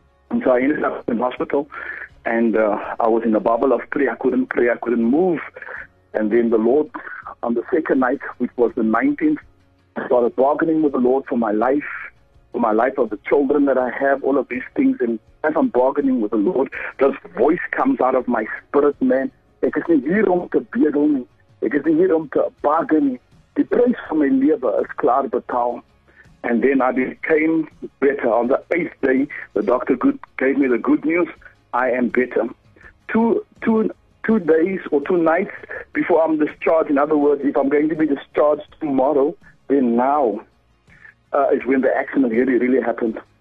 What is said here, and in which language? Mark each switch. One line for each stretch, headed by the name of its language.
English: And so I ended up in hospital. And I was in a bubble of prayer. I couldn't pray. I couldn't move. And then the Lord, on the second night, which was the 19th, started bargaining with the Lord for my life of the children that I have, all of these things. And as I'm bargaining with the Lord, this voice comes out of my spirit, man.
Afrikaans: Ek is nie hier om te bedel nie. Ek is nie hier om te bargain nie. Die prys van my lewe is klaar betaal.
English: And then I became better. On the 8th day, the doctor gave me the good news. I am better. Two days or two nights before I'm discharged, in other words, if I'm going to be discharged tomorrow, then now is when the accident really happened.